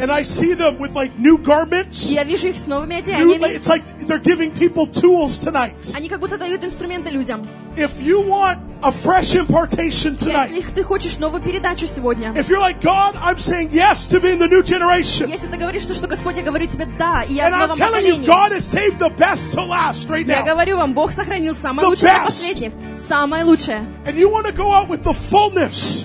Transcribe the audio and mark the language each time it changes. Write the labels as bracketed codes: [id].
[en] And I see them with like new garments. [ru] Я вижу их с новыми одеждами. [en] It's like they're giving people tools tonight. [ru] Они как будто дают инструменты людям. [en] If you want a fresh impartation tonight. [ru] Если ты хочешь новую передачу сегодня. [en] If you're like God, I'm saying yes to being the new generation. [ru] Если ты говоришь то, что Господь, я говорю тебе да, и я новом поколении. [en] And I'm telling you, God has saved the best to last right now. [ru] Я говорю вам, Бог сохранил самое лучшее для последних, самое лучшее. [en] And you want to go out with the fullness.